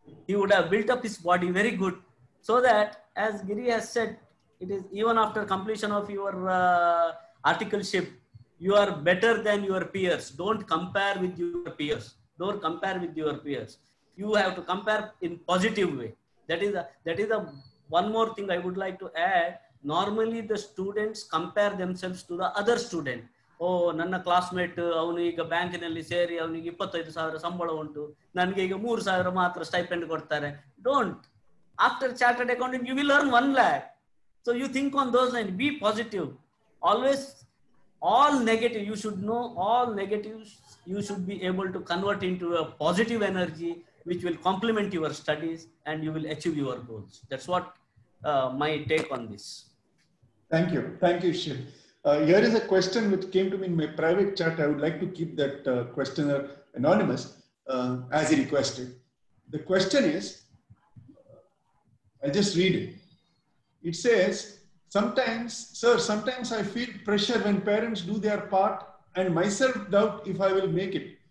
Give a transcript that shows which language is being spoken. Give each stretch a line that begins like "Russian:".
English: He would have built up his body very good, so that, as Giri has said, it is even after completion of your articleship, you are better than your peers. Don't compare with your peers. Don't compare with your peers. You have to compare in positive way. That is a one more thing I would like to add. Normally the students compare themselves to the other student.
Kannada: ಓ ನನ್ನ classmate ಅವನು ಈಗ ಬ್ಯಾಂಕಿನಲ್ಲಿ ಸೇರಿ ಅವನಿಗೆ 25,000 ಸಂಬಳ ಉಂಟು, ನನಗೆ ಈಗ 3,000 ಮಾತ್ರ ಸ್ಟೈಪೆಂಡ್ ಕೊಡ್ತಾರೆ. Don't.
English: After chartered accountant you will earn 1 lakh. So you think on those line, be positive always. All negative you should know, all negative you should be able to convert into a positive energy which will compliment your studies and you will achieve your goals. That's what my take on this. Thank you. Thank you Shiva. Here is a question which came to me in my private chat. I would like to keep that questioner anonymous as he requested. The question is, I'll just read it. It says, sometimes I feel pressure when parents do their part and myself doubt if I will make it.